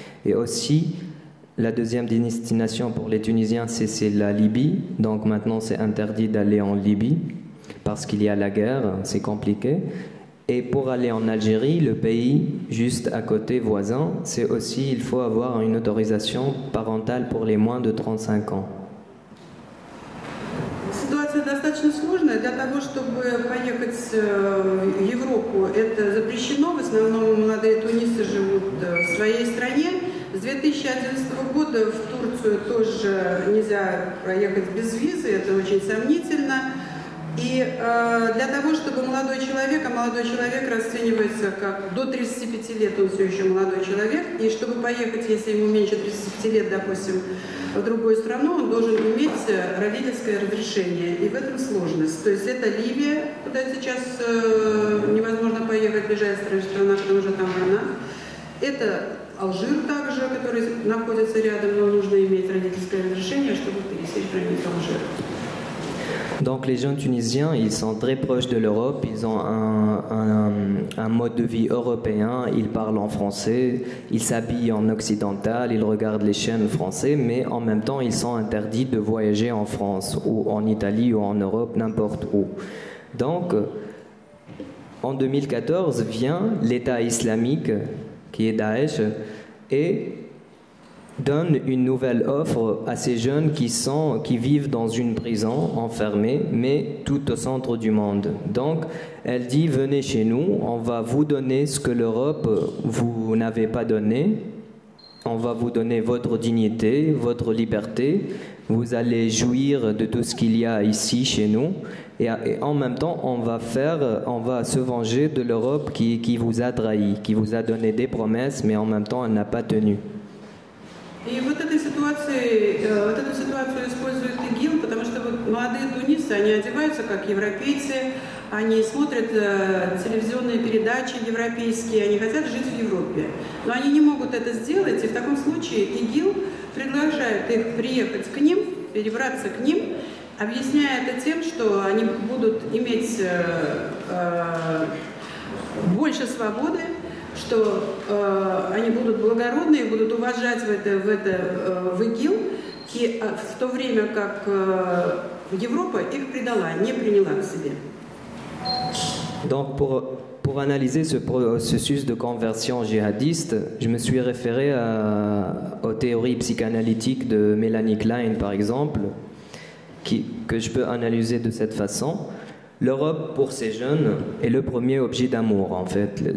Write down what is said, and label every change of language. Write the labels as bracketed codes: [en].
[fr] Et aussi, la deuxième destination pour les Tunisiens, c'est la Libye. Donc, maintenant, c'est interdit d'aller en Libye parce qu'il y a la guerre, c'est compliqué. Et pour aller en Algérie, le pays juste à côté, voisin, c'est aussi, il faut avoir une autorisation parentale pour les moins de 35 ans. [ru] Ситуация достаточно сложная. Для того, чтобы поехать в Европу, это запрещено. В основном молодые тунисцы живут в своей стране. С 2011 года в Турцию тоже нельзя проехать без визы. Это очень сомнительно. И для того, чтобы молодой человек, а молодой человек расценивается как до 35 лет, он все еще молодой человек, и чтобы поехать, если ему меньше 35 лет, допустим, в другую страну, он должен иметь родительское разрешение, и в этом сложность. То есть это Ливия, куда сейчас невозможно поехать, ближайшая страна, что уже там она. Это Алжир также, который находится рядом, но нужно иметь родительское разрешение, чтобы пересечь границу Алжира. [fr] Donc les jeunes Tunisiens, ils sont très proches de l'Europe, ils ont un mode de vie européen, ils parlent en français, ils s'habillent en occidental, ils regardent les chaînes françaises, mais en même temps ils sont interdits de voyager en France ou en Italie ou en Europe, n'importe où. Donc en 2014 vient l'État islamique qui est Daesh et donne une nouvelle offre à ces jeunes qui vivent dans une prison enfermée, mais tout au centre du monde. Donc, elle dit, venez chez nous, on va vous donner ce que l'Europe vous n'avez pas donné. On va vous donner votre dignité, votre liberté. Vous allez jouir de tout ce qu'il y a ici, chez nous. Et en même temps, on va se venger de l'Europe qui vous a trahi, qui vous a donné des promesses, mais en même temps, elle n'a pas tenu. [ru] И вот этой ситуации, вот эту ситуацию использует ИГИЛ, потому что вот молодые тунисцы, они одеваются как европейцы, они смотрят телевизионные передачи европейские, они хотят жить в Европе. Но они не могут это сделать, и в таком случае ИГИЛ приглашает их приехать к ним, перебраться к ним, объясняя это тем, что они будут иметь больше свободы, что они будут благородные, будут уважать в ИГИЛ, в то время как Европа их предала, не приняла к себе. [fr] Donc pour analyser ce processus de conversion djihadiste, je me suis référé aux théories psychanalytiques de Melanie Klein, par exemple, que je peux analyser de cette façon. L'Europe, pour ces jeunes, est le premier objet d'amour, en fait.